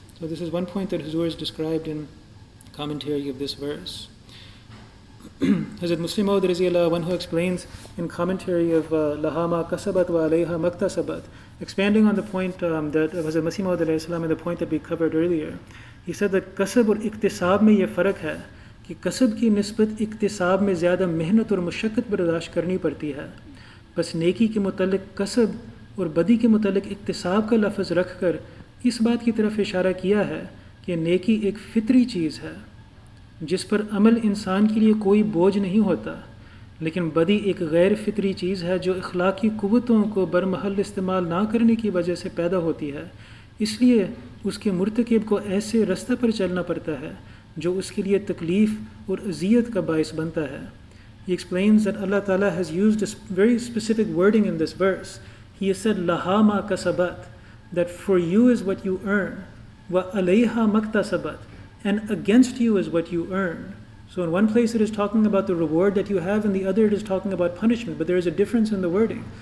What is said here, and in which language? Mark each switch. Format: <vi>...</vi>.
<en>So this is one point that Huzoor has described in commentary of this verse. Hazrat Muslim Maud</en> <ar>رضی اللہ عنہ</ar> <en>explains in commentary of Lahama Kasabat wa Alayha Maktasabat, expanding on the point that Hazrat Muslim Maud علیہ السلام and the point that we covered earlier. He said that</en> <ur>قصب اور اقتصاب میں یہ فرق ہے کہ قصب کی نسبت اقتصاب میں زیادہ محنت اور مشقت برداشت کرنی پڑتی ہے. بس نیکی کے متعلق قصب اور بدی کے متعلق اقتصاب کا لفظ رکھ کر اس بات کی طرف اشارہ کیا ہے کہ نیکی ایک فطری چیز ہے جس پر عمل انسان کے لیے کوئی بوجھ نہیں ہوتا, لیکن بدی ایک غیر فطری چیز ہے جو اخلاقی قوتوں کو برمحل استعمال نہ کرنے کی وجہ سے پیدا ہوتی ہے. اس لیے اس کے مرتکب کو ایسے رستہ پر چلنا پڑتا ہے جو اس کے لیے تکلیف اور اذیت کا باعث بنتا ہے.</ur> <en>He explains that Allah Ta'ala has used a very specific wording in this verse. He has said,</en> <ar>لَهَا مَا كَسَبَتْ,</ar> <en>that for you is what you earn,</en> <ar>وَأَلَيْهَا مَكْتَسَبَتْ,</ar> <en>and against you is what you earn. So in one place it is talking about the reward that you have, and the other it is talking about punishment, but there is a difference in the wording.</en>